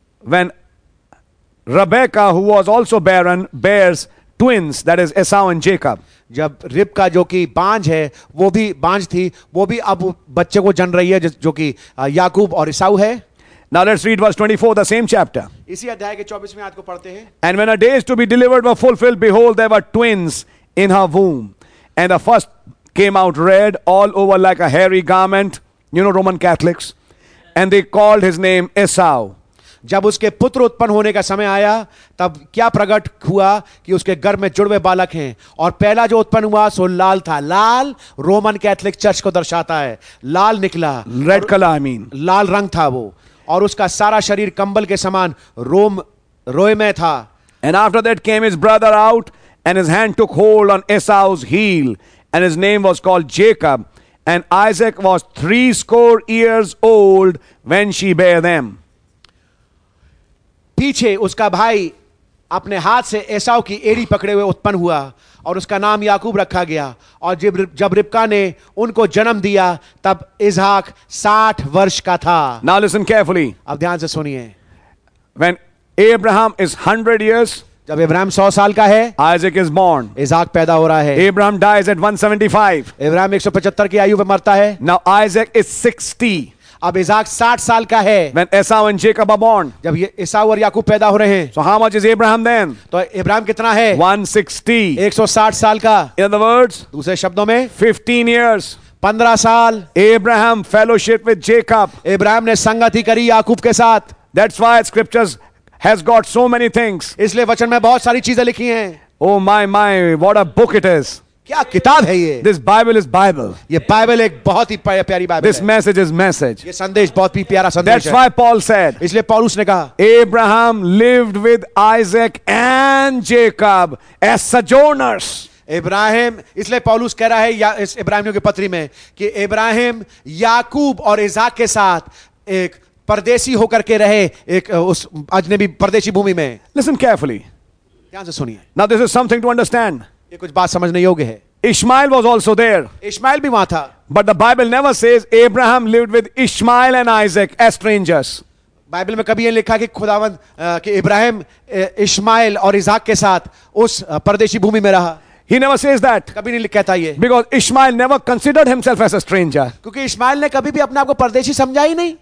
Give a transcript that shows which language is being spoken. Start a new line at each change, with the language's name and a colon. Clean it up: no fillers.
English: When Rebecca, who was also barren, bears twins, that is Esau and Jacob.
Hindi: जब रिबका जो कि बांझ है, वो भी बांझ थी, वो भी अब बच्चे को जन्म रही है, जो कि याकूब और इसाऊ है.
English: Now let's read verse 24, the same chapter.
Hindi: इसी अध्याय के 24 में आयत को पढ़ते हैं.
English: And when her days to be delivered were fulfilled, behold, there were twins. In her womb, and the first came out red all over like a hairy garment. You know Roman Catholics, and they called his name Esau.
Hindi: जब उसके पुत्र उत्पन्न होने का समय आया, तब क्या प्रकट हुआ कि उसके गर्भ में जुड़वे बालक हैं, और पहला जो उत्पन्न हुआ सो लाल था. लाल Roman Catholic Church को दर्शाता है. लाल निकला.
English: Red color, I mean.
Hindi: लाल रंग था वो, और उसका सारा शरीर कंबल के समान रोयमय था.
English: And after that came his brother out. And his hand took hold on Esau's heel, and his name was called Jacob. And Isaac was 70 old when she bare them.
Hindi: पीछे उसका भाई अपने हाथ से एसाव की एड़ी पकड़े हुए उत्पन्न हुआ, और उसका नाम याकूब रखा गया. और जब रिबका ने उनको जन्म दिया, तब इसहाक 60 वर्ष का था.
English: Now listen carefully.
Hindi: अब ध्यान से सुनिए.
English: When Abraham is 100 years.
Hindi: जब इब्राहिम 100 साल का है.
English: Isaac is born.
Hindi: इसहाक पैदा हो रहा है.
English: Abraham dies at 175.
Hindi: इब्राहिम 175 की आयु में मरता है.
English: Now Isaac is 60.
Hindi: अब इसहाक 60 साल का है.
English: When Esau and Jacob are born.
Hindi: जब ये इसहाक और याकूब पैदा हो रहे हैं.
English: So how much is Abraham then?
Hindi: तो इब्राहिम कितना है?
English: 160.
Hindi: 160 साल का.
English: In other words.
Hindi: दूसरे शब्दों में.
English: 15 years.
Hindi: 15 साल.
English: Abraham fellowship with Jacob.
Hindi: Ibrahim ने संगति करी याकूब के साथ.
English: That's why scriptures has got so many things.
Hindi: इसलिए वचन में बहुत सारी चीजें लिखी हैं.
English: Oh my my, what a book it is.
Hindi: क्या किताब है ये?
English: This Bible is Bible.
Hindi: ये Bible एक बहुत ही प्यारी Bible.
English: This message is message.
Hindi: ये संदेश बहुत ही प्यारा संदेश है.
English: That's why Paul said.
Hindi: इसलिए पौलुस ने कहा.
English: Abraham lived with Isaac and Jacob as sojourners.
Hindi: Ibrahim, इसलिए पौलुस कह रहा है या इस इब्राहिमियों के पत्री में कि इब्राहिम याकूब और इसहाक के साथ एक परदेशी होकर के रहे, एक उस अजनबी परदेशी भूमि में.
English: Listen carefully.
Hindi: ध्यान से सुनिए.
English: Now this is something to understand.
Hindi: ये कुछ बात समझने योग्य है.
English: Ishmael was also there.
Hindi: Ishmael भी वहां था.
English: But the Bible never says Abraham lived with Ishmael and Isaac as strangers.
Hindi: Bible में कभी ये लिखा कि खुदावंद कि इब्राहिम इश्माइल और इसहाक के साथ उस परदेशी भूमि में रहा.
English: He never says that.
Hindi: कभी नहीं कहता ये.
English: Because Ishmael never considered himself as a stranger.
Hindi: क्योंकि इश्माइल ने कभी भी अपने आप को परदेशी समझा ही नहीं.